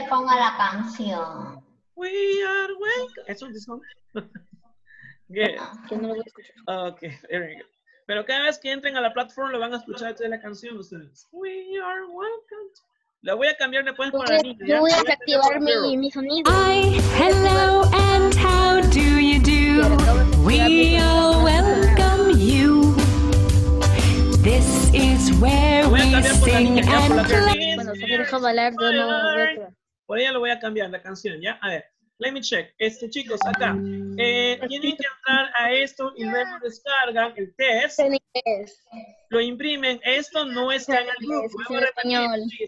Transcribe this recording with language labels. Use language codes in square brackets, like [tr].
[es] Y se ponga la canción. [en] We are welcome. [es] ¿Eso es [en] this one? Yeah. No, ok, there we go. [es] Pero cada vez que entren a la plataforma lo van a escuchar desde la canción ustedes. [en] We are welcome. [es] La voy a cambiar después para la niña. Yo voy a desactivar mi sonido. [en] Hi, hello, and how do you do? We all welcome you. This is where we sing and play. [es] Bueno, se me dejó hablar de nuevo. Por ella lo voy a cambiar, la canción, ¿ya? A ver, [en] let me check. [es] Chicos, acá. Tienen que entrar a esto y luego descargan el test. En inglés. Lo imprimen. Esto no está en el grupo. En español.